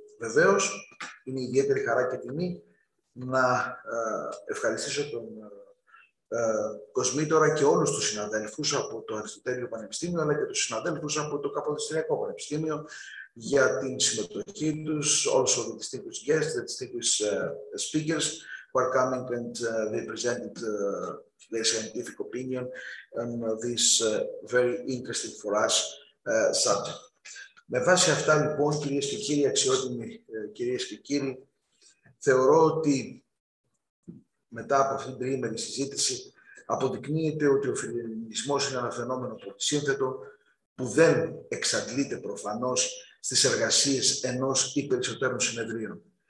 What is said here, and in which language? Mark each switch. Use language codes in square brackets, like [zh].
[el] Βεβαίως, είναι ιδιαίτερη χαρά και τιμή να ευχαριστήσω τον Κοσμήτορα και όλους τους συναδέλφους από το Αριστοτέλειο Πανεπιστήμιο αλλά και τους συναδέλφους από το Καποδιστριακό Πανεπιστήμιο για την συμμετοχή τους, [en] also the distinguished guests, the distinguished speakers, were coming and they presented their scientific opinion on this very interesting for us subject. [el] Με βάση αυτά λοιπόν, κυρίες και κύριοι, αξιότιμοι κυρίες και κύριοι, θεωρώ ότι μετά από αυτήν την τριήμερη συζήτηση αποδεικνύεται ότι ο φιλελληνισμός είναι ένα φαινόμενο πολυσύνθετο που δεν εξαντλείται προφανώς στις εργασίες ενός ή περισσότερων συνεδρίων.